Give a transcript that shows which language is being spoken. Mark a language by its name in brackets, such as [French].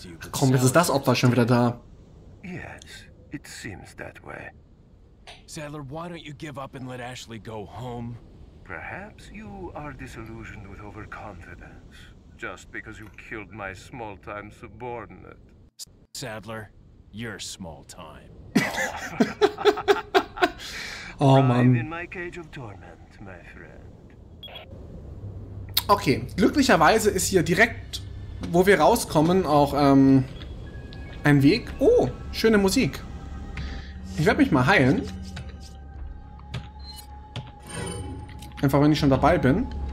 [German] Komm, jetzt ist das Opfer schon wieder da. [English] It seems that way. Sadler, why don't you give up and let Ashley go home? Perhaps you are disillusioned with overconfidence, just because you killed my small-time subordinate. Sadler, you're small-time. [German] Oh, Mann. [English] Ride in my cage of torment, my friend. [German] Okay, glücklicherweise ist hier direkt, wo wir rauskommen, auch ein Weg. Oh, schöne Musik. Ich werde mich mal heilen. Einfach, wenn ich schon dabei bin.